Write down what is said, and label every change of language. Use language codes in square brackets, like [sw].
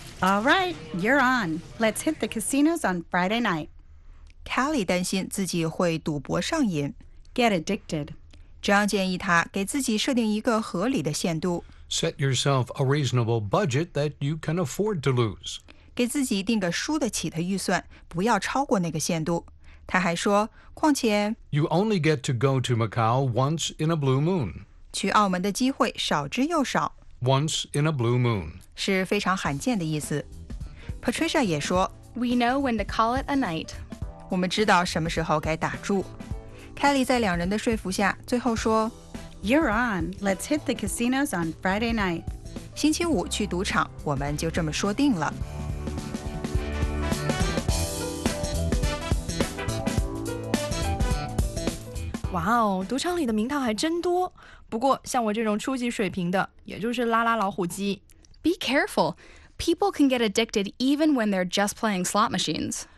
[en] All right, you're on. Let's hit the casinos on Friday night. [zh] Kelly 担心自己会赌博上瘾。 [en] Get addicted. [zh] John 建议他给自己设定一个合理的限度。 [en] Set yourself a reasonable budget that you can afford to lose. [zh] 给自己定个输得起的预算，不要超过那个限度。他还说，况且 [en] You only get to go to Macau once in a blue moon. [zh] 去澳门的机会少之又少。 [en] Once in a blue moon. [zh] 是非常罕见的意思。Patricia 也说 [en] We know when to call it a night. [zh] 我们知道什么时候该打住。 Kelly 在两人的说服下最后说 [en] You're on. Let's hit the casinos on Friday night. [zh] 星期五去赌场，我们就这么说定了。哇哦，赌场里的名堂还真多。不过像我这种初级水平的，也就是拉拉老虎机。 [en] Be careful. People can get addicted even when they're just playing slot machines.